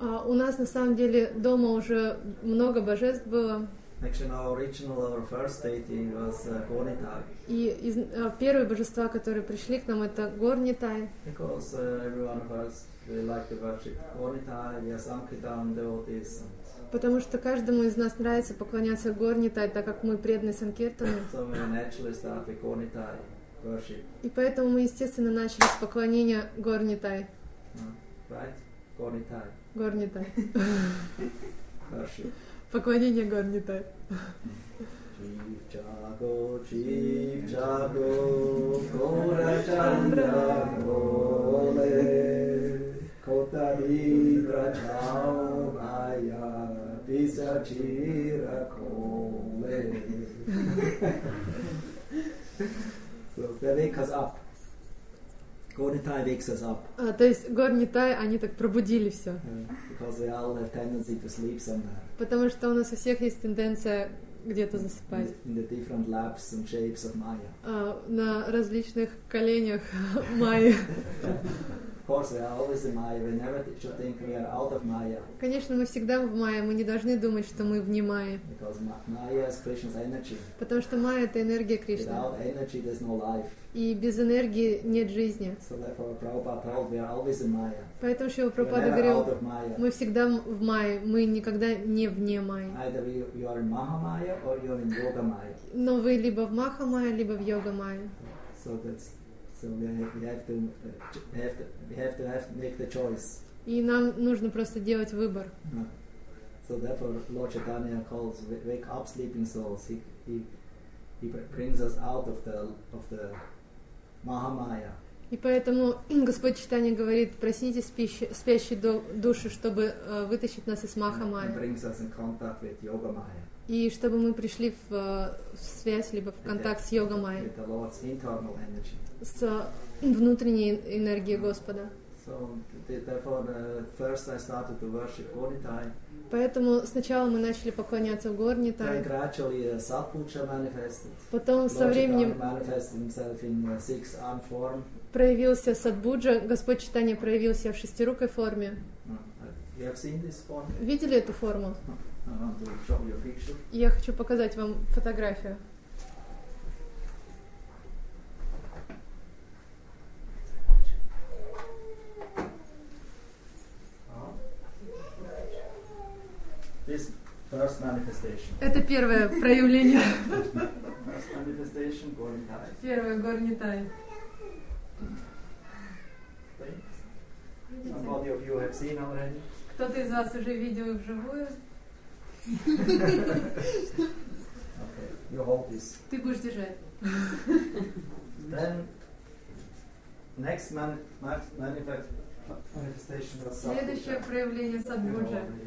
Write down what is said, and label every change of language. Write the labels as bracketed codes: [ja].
[ru] У нас на самом деле дома уже много божеств было. [en] Actually, our first deity was Gornitai. [ru] И первые божества, которые пришли к нам, это Горнитай. [en] Because everyone of us, we like to worship Gornitai, we are Sankirtan devotees. [ru] Потому что каждому из нас нравится поклоняться Горнитай, так как мы преданы Санкиртану. [en] So we naturally start with Gornitai worship. [ru] И поэтому мы, естественно, начали с поклонения Горнитай. [en] Right? Gornitai. [ru] Горнитай. [en] Worship. [ru] Поклонение Горнита. [bn] Чип-чаго, Гора-чандра, Голе, Кота-ли-бра-чао-майя, Писа-чира-коле. [en] So they wake us up. Горнитай wakes us up. [ru] То есть Горнитай, они так пробудили все. [en] Because we all have tendency to sleep somewhere. [ru] Потому что у нас у всех есть тенденция где-то засыпать. [en] In the different laps and shapes of Maya. [ru] На различных коленях Майи. [en] Of course, we are always in Maya. We never should think we are out of Maya. [ru] Конечно, мы всегда в Майе. Мы не должны думать, что мы вне Майи. [en] Because Maya is Krishna's energy. [ru] Потому что Майя — это энергия Кришны. [en] Without energy, there's no life. [ru] И без энергии нет жизни. [en] So therefore, Prabhupada told, we are always in Maya. [ru] Поэтому Шрила Прабхупада говорил, мы всегда в Майе, мы никогда не вне Майи. [en] Either you are in Mahamaya or you are in Yoga Maya. [ru] Но вы либо в Махамайе, либо в Йога Майе. [en] So that's we have to make the choice. [ru] И нам нужно просто делать выбор. [en] So therefore, Lord Chaitanya calls wake up sleeping souls. He brings us out of the Mahamaya. [ru] И поэтому Господь Чайтанья говорит, просите спящие души, чтобы вытащить нас из Махамайи. [en] And brings us in contact with Yoga Maya. [ru] И чтобы мы пришли в связь, либо в контакт с Йога Майей. [en] With the Lord's internal energy. [ru] С внутренней энергией Господа. [en] So So therefore, first I started to worship Gornitai. [ru] Поэтому сначала мы начали поклоняться в Горнитай. [en] Then gradually Sapucha manifested. [ru] Потом со временем [en] manifested himself in six arm form. [ru] Проявился Садбуджа, Господь Читания проявился в шестирукой форме. [en] You have seen this form? [ru] Видели эту форму? [en] I want to show you a picture. [ru] Я хочу показать вам фотографию. [en] This first manifestation. [ru] Это первое проявление. [en] First manifestation, Горнитай. [ru] Первое Горнитай. [en] Somebody of you have seen already. [ru] Кто-то из вас уже видел их вживую? [en] Okay, you hold this. [ru] Ты будешь держать. [en] Then next manifest. [ru] Следующее проявление Садбуджа.